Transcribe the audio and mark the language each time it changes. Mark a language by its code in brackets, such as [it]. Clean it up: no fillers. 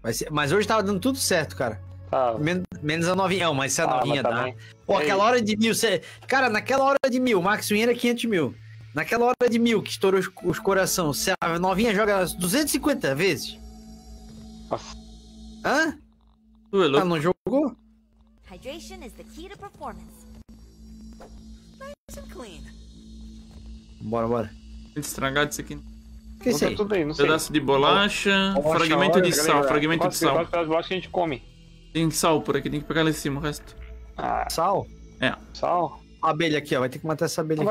[pt] Mas hoje tava dando tudo certo, cara. Menos a novinha. Não, mas se a novinha dá. Tá. Pô, aquela hora de mil. Cara, naquela hora de mil, o Max Win era 500 mil. Naquela hora de mil que estourou os coração, se a novinha joga 250 vezes. Nossa. Hã? Tu é louco? Ela não jogou? [en] Hydration is the key to performance. Nice and clean. [pt] Bora. Tem que estragar isso aqui. Que isso aí? Tudo bem, não sei. Pedaço de bolacha, fragmento de sal, fragmento de sal. Quase as bolachas que a gente come. Tem sal por aqui, tem que pegar lá em cima o resto. Ah, sal? É. Sal? Abelha aqui, ó. Vai ter que matar essa abelha não